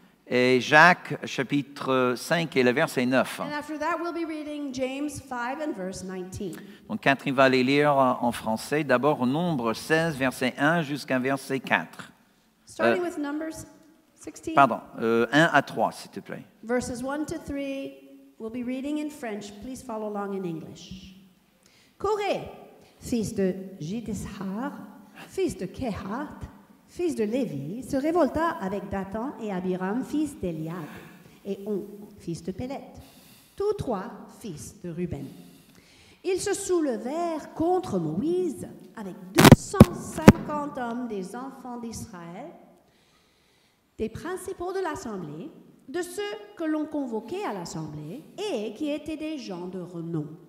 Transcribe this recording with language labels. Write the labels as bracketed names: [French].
[French] Et Jacques, chapitre 5 et le verset 9. [English] And after that, we'll be reading James 5 and verse 19. [French] Donc, Kathryn va les lire en français. D'abord, Nombre 16, verset 1 jusqu'à verset 4. [English] Starting with Numbers 16. [French] Pardon, 1 à 3, s'il te plaît. [English] Verses 1 to 3, we'll be reading in French. Please follow along in English. [French] Coré, fils de Jidishar, fils de Kehat, fils de Lévi, se révolta avec Dathan et Abiram, fils d'Eliab, et On, fils de Pélet, tous trois fils de Ruben. Ils se soulevèrent contre Moïse avec 250 hommes des enfants d'Israël, des principaux de l'assemblée, de ceux que l'on convoquait à l'assemblée et qui étaient des gens de renom.